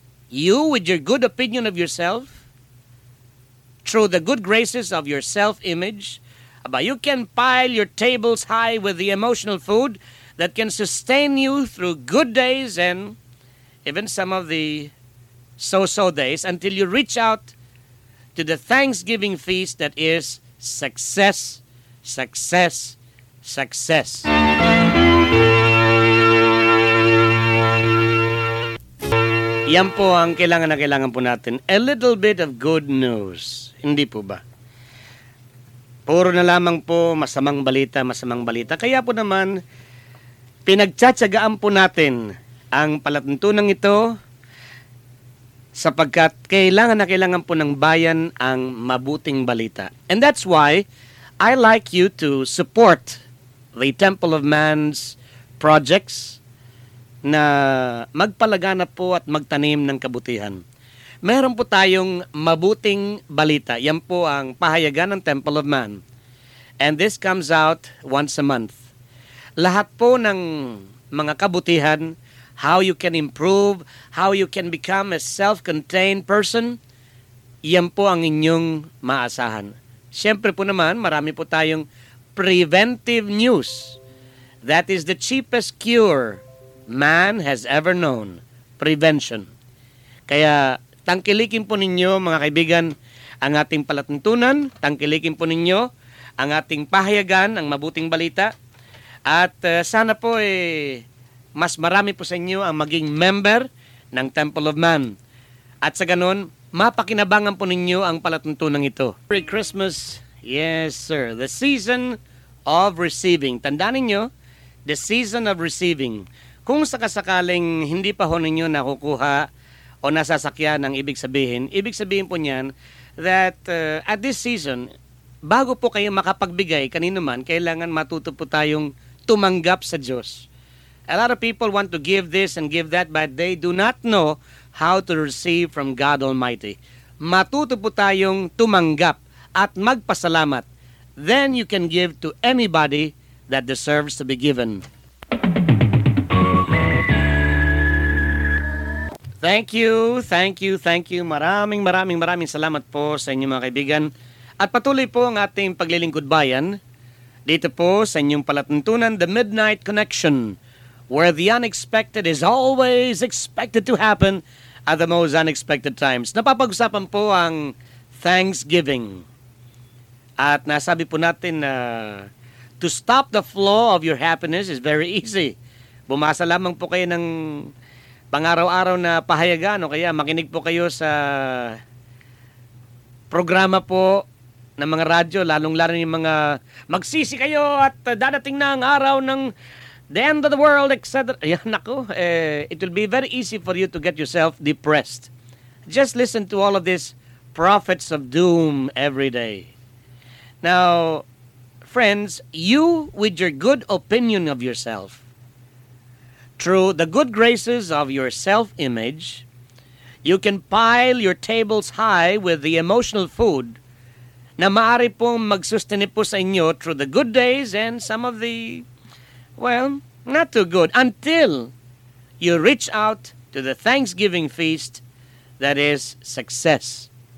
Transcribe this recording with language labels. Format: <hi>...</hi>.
<en>You, with your good opinion of yourself, through the good graces of your self-image, you can pile your tables high with the emotional food that can sustain you through good days and even some of the so-so days until you reach out to the Thanksgiving feast that is success, success, success.</en> <tl>Yan po ang kailangan na kailangan po natin.</tl> <en>A little bit of good news.</en> <tl>Hindi po ba? Puro na lamang po masamang balita, masamang balita. Kaya po naman, pinagtsatsagaan po natin ang palatuntunang ito sapagkat kailangan na kailangan po ng bayan ang mabuting balita.</tl> <en>And that's why I like you to support the Temple of Man's projects na magpalaganap po at magtanim ng kabutihan.</en> <tl>Meron po tayong mabuting balita. Yan po ang pahayagan ng Temple of Man.</tl> <en>And this comes out once a month. Lahat po ng mga kabutihan, how you can improve, how you can become a self-contained person, yan po ang inyong maasahan.</en> <tl>Siyempre po naman, marami po tayong preventive news.</tl> <en>That is the cheapest cure man has ever known. Prevention.</en> <tl>Kaya tangkilikin po ninyo, mga kaibigan, ang ating palatuntunan, tangkilikin po ninyo ang ating pahayagan, ang mabuting balita. At sana po mas marami po sa inyo ang maging member ng Temple of Man. At sa ganun, Mapakinabangan po ninyo ang palatuntunan ito.</tl> <en>Merry Christmas. Yes, sir. The season of receiving. Tandaan ninyo, the season of receiving.</en> <tl>Kung sakasakaling hindi pa ho ninyo nakukuha o nasasakyan ang ibig sabihin po niyan that at this season, bago po kayo makapagbigay kanino man, kailangan matuto po tayong tumanggap sa Diyos.</tl> <en>A lot of people want to give this and give that, but they do not know how to receive from God Almighty.</en> <tl>Matuto po tayong tumanggap at magpasalamat.</tl> <en>Then you can give to anybody that deserves to be given. Thank you, thank you, thank you.</en> <tl>Maraming maraming maraming salamat po sa inyong mga kaibigan. At patuloy po ang ating paglilingkodbayan dito po sa inyong palatuntunan, The Midnight Connection, where the unexpected is always expected to happen at the most unexpected times. Napapag-usapan po ang Thanksgiving.</tl> <en>At nasabi po natin na to stop the flow of your happiness is very easy.</en> <tl>Bumasa lamang po kayo ng pang-araw-araw na pahayagan, o kaya makinig po kayo sa programa po ng mga radyo, lalong-lalo yung mga magsisi kayo at dadating na ang araw ng the end of the world, etc.</tl> <en>Ayan ako, it will be very easy for you to get yourself depressed. Just listen to all of these prophets of doom every day. Now, friends, you with your good opinion of yourself, through the good graces of your self-image, you can pile your tables high with the emotional food na maaari pong magsustenin po sa inyo through the good days and some of the, well, not too good, until you reach out to the Thanksgiving feast that is success.</en>